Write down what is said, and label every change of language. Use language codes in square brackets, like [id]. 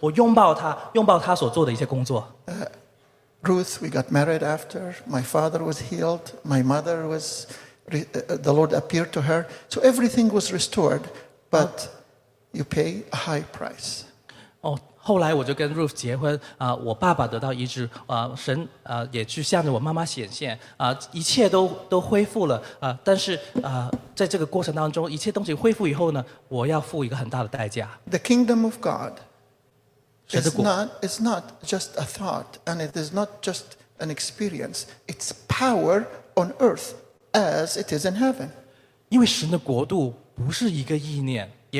[zh] 如果我有同样的心智，我活在他的日子，这大卫王的日子的时候，我就会去好好去保护他，保守他所做的一切，以至于他不会在这么多的挣扎当中。我拥抱他，拥抱他所做的一些工作。 [en] Ruth, we got married after. My father was healed. My mother was, the Lord appeared to her. So everything was restored, but you pay a high price. [zh] 后来我就跟 Ruth 结婚，我爸爸得到医治，神也去向着我妈妈显现，一切都恢复了，但是在这个过程当中，一切东西恢复以后呢，我要付一个很大的代价。 [en] The kingdom of God is not just a thought, and it is not just an experience. It's power on earth as it is in heaven. [zh] 因为神的国度不是一个意念。